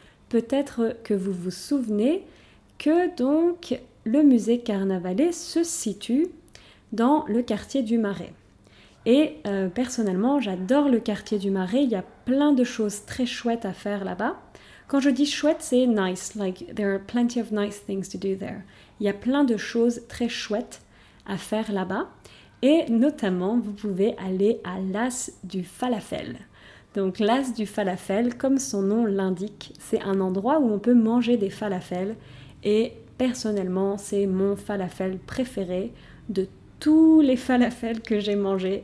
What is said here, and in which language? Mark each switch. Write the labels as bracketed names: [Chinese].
[French] Peut-être que vous vous souvenez que donc le musée carnavalet se situe dans le quartier du Marais. Et personnellement, j'adore le quartier du Marais. Il y a plein de choses très chouettes à faire là-bas. Quand je dis chouette, c'est nice. [English] Like there are plenty of nice things to do there. [French] Il y a plein de choses très chouettes à faire là-bas. Et notamment, vous pouvez aller à l'As du Falafel. Donc l'As du Falafel, comme son nom l'indique, c'est un endroit où on peut manger des falafels. Et personnellement, c'est mon falafel préféré de tous les falafels que j'ai mangés.